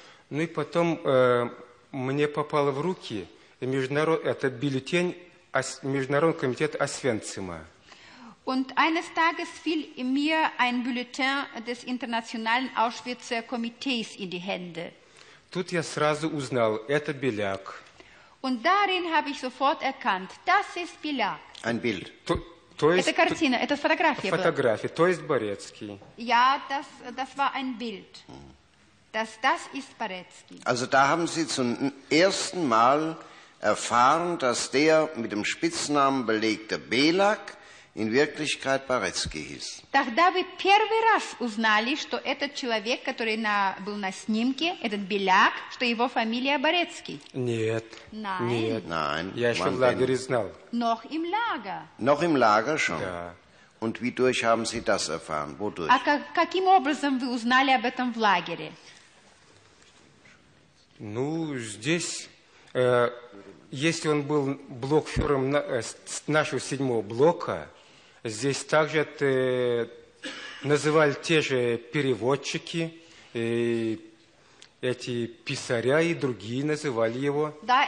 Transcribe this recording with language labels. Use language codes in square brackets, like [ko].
[ru] Ну и потом мне попало в руки этот бюллетень Международного комитета Освенцима. [de] Und eines Tages fiel mir ein Bulletin des Internationalen Auschwitzer Komitees in die Hände. [ru] Тут я сразу узнал, это Беляк. [de] Und darin habe ich sofort erkannt, das ist Беляк. Ein Bild. [ru] Это картина, это фотография. Фотография, то есть Борецкий. [de] Ja, das war ein Bild. Das ist Борецкий. Also da haben Sie zum ersten Mal erfahren, dass der mit dem Spitznamen belegte Беляк in Wirklichkeit Baretsky hieß. [ru] Тогда вы первый раз узнали, что этот человек, который был на снимке, этот Беляк, что его фамилия Борецкий. Нет. [de] Nein. [ru] Нет. [de] Nein. [ru] Я еще в лагере знал. [de] Noch im Lager. Noch im Lager schon. Ja. Und wie durch haben Sie das erfahren? Wodurch? [ru] А каким образом вы узнали об этом в лагере? Ну, здесь, если он был блокфюрером нашего седьмого блока, здесь также называли те же переводчики, и эти писаря и другие называли его.